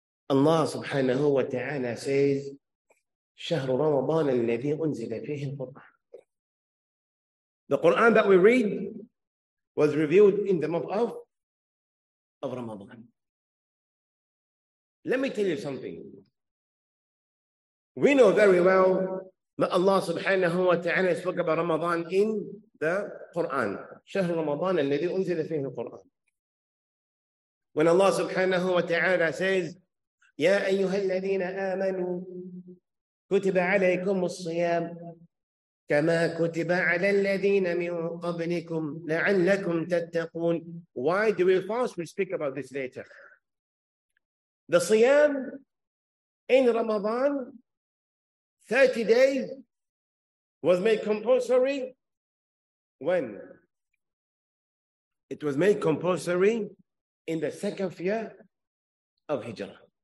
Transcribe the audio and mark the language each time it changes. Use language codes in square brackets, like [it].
[en] Allah subhanahu wa ta'ala says, [ar] شهر رمضان الذي أنزل فيه القرآن. [en] The Quran that we read was revealed in the month of Ramadan. Let me tell you something. We know very well that Allah subhanahu wa ta'ala spoke about Ramadan in the Quran. [ar] شهر رمضان الذي أنزل فيه القرآن. [en] When Allah subhanahu wa ta'ala says, [ar] يا أيها الذين آمنوا كتب عليكم الصيام كما كتب على الذين من قبلكم لعلكم تتقون. [en] Why do we fast? We'll speak about this later. The Siyam in Ramadan, 30 days, was made compulsory when? It was made compulsory in the second year of Hijrah.